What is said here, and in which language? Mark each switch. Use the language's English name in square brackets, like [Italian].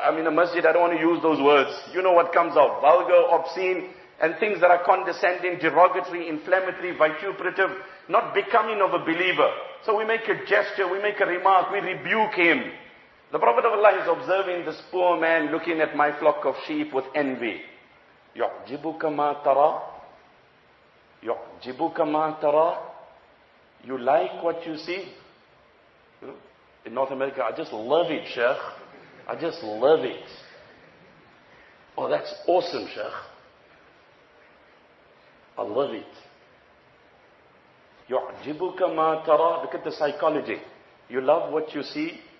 [English] I'm in a masjid, I don't want to use those words. You know what comes out? Vulgar, obscene, and things that are condescending, derogatory, inflammatory, vituperative, not becoming of a believer. So we make a gesture, we make a remark, we rebuke him. The Prophet of Allah is observing this poor man looking at my flock of sheep with envy. [Arabic] يُعْجِبُكَ مَا تَرَى يُعْجِبُكَ مَا تَرَى [English] You like what you see? In North America, I just love it, Sheikh. I just love it. Oh, that's awesome, Sheikh. I love it. [Arabic] يُعْجِبُكَ مَا تَرَى [English] Look at the psychology. You love what you see?